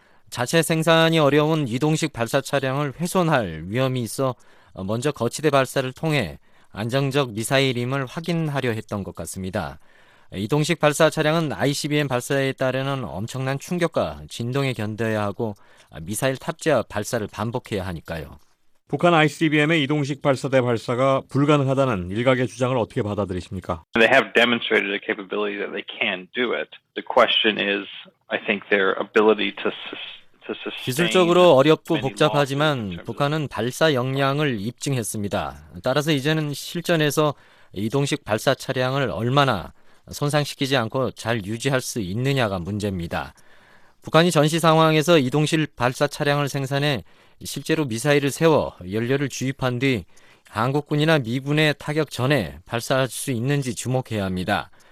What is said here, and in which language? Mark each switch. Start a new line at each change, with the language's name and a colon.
Korean: 자체 생산이 어려운 이동식 발사 차량을 훼손할 위험이 있어 먼저 거치대 발사를 통해 안정적 미사일임을 확인하려 했던 것 같습니다. 이동식 발사 차량은 ICBM 발사에 따르는 엄청난 충격과 진동에 견뎌야 하고 미사일 탑재와 발사를 반복해야 하니까요. 북한 ICBM의 이동식 발사대 발사가 불가능하다는 일각의 주장을 어떻게 받아들이십니까?
English: They have demonstrated a capability that they can do it. The question is, I think their ability to sustain.
Korean: 기술적으로 어렵고 복잡하지만 북한은 발사 역량을 입증했습니다. 따라서 이제는 실전에서 이동식 발사 차량을 얼마나 손상시키지 않고 잘 유지할 수 있느냐가 문제입니다. 북한이 전시 상황에서 이동식 발사 차량을 생산해 실제로 미사일을 세워 연료를 주입한 뒤 한국군이나 미군의 타격 전에 발사할 수 있는지 주목해야 합니다.